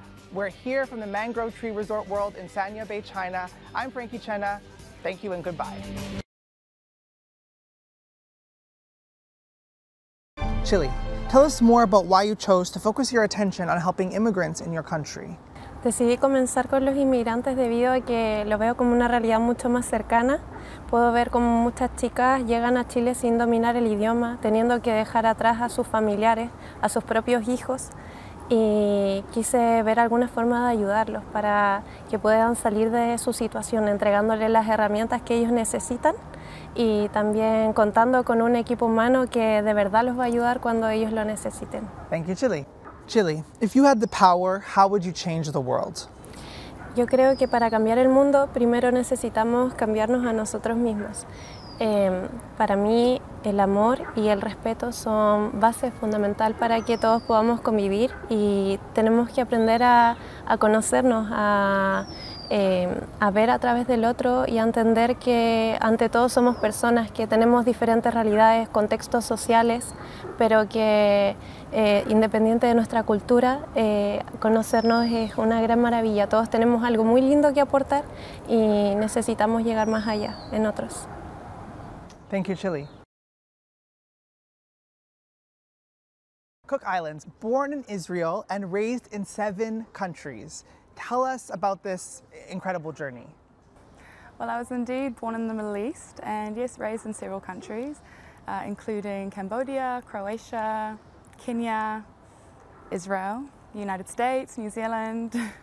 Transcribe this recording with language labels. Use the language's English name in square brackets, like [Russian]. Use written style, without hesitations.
[English] We're here from the Mangrove Tree Resort World in Sanya Bay, China. I'm Frankie Chenna. Thank you and goodbye. Chile, tell us more about why you chose to focus your attention on helping immigrants in your country. [Spanish] Decidí comenzar con los inmigrantes debido a que lo veo como una realidad mucho más cercana. Puedo ver cómo muchas chicas llegan a Chile sin dominar el idioma, teniendo que dejar atrás a sus familiares, a sus propios hijos, y quise ver alguna forma de ayudarlos para que puedan salir de su situación, entregándoles las herramientas que ellos necesitan y también contando con un equipo humano que de verdad los va a ayudar cuando ellos lo necesiten. [English] Thank you, Chile. Chile, if you had the power, how would you change the world? [Spanish] Yo creo que para cambiar el mundo, primero necesitamos cambiarnos a nosotros mismos. Para mí, el amor y el respeto son base fundamental para que todos podamos convivir y tenemos que aprender a conocernos, a ver a través del otro y a entender que ante todo somos personas que tenemos diferentes realidades, contextos sociales, pero que independiente de nuestra cultura, conocernos es una gran maravilla. Todos tenemos algo muy lindo que aportar y necesitamos llegar más allá en otros. [English] Thank you, Chile. Cook Islands, born in Israel and raised in 7 countries. Tell us about this incredible journey. Well, I was indeed born in the Middle East and yes, raised in several countries, including Cambodia, Croatia, Kenya, Israel, United States, New Zealand.